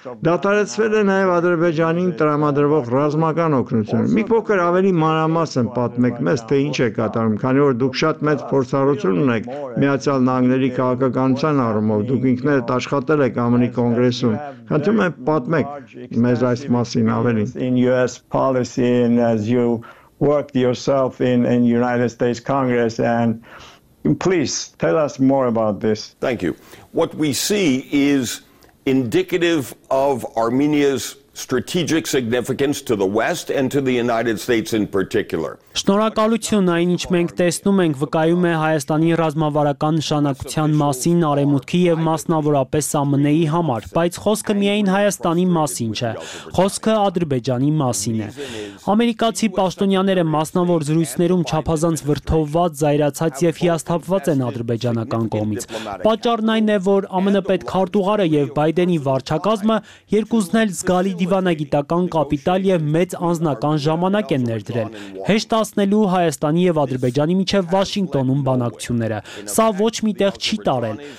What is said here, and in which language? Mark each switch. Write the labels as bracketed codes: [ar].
[hy] Դատարացվել է նաև Ադրբեջանին տրամադրվող ռազմական օգնություն։ Մի փոքր ավելի մանրամասն պատմեք մեզ, թե ինչ է կատարում, քանի որ դուք շատ մեծ փորձառություն ունեք Միացյալ Նահանգների քաղաքականության առումով, դուք ինքներդ աշխատել եք ԱՄՆ-ի կոնգրեսում։ Խնդրում եմ պատմեք մեզ այս մասին ավելին։ [en] In US policy and as you worked yourself in United States Congress and please tell us more about this. Thank you. What we see is indicative of Armenia's strategic significance to the West and to the United States in particular. [hy] Շնորհակալություն այն, ինչ մենք տեսնում ենք, վկայում է Հայաստանի ռազմավարական նշանակության մասին արեմուտքի եւ մասնավորապես ԱՄՆ-ի համար, բայց խոսքը միայն Հայաստանի մասին չէ, խոսքը Ադրբեջանի մասին է։ Ամերիկացի պաշտոնյաները մասնավոր զրույցներում չափազանց վրթովված, զայրացած եւ հիասթափված են ադրբեջանական կողմից։ Պատճառն այն է, որ ԱՄՆ պետք քարտուղարը եւ Բայդենի վարչակազմը երկուսն էլ զգալի դիվանագիտական կապիտալ եւ մեծ անձնական ժամանակ են ներդրել։ Հեշտ տասնելու Հայաստանի եւ Ադրբեջանի միջև Վաշինգտոնում բանակցությունները։ Սա ոչ մի տեղ չի տարել։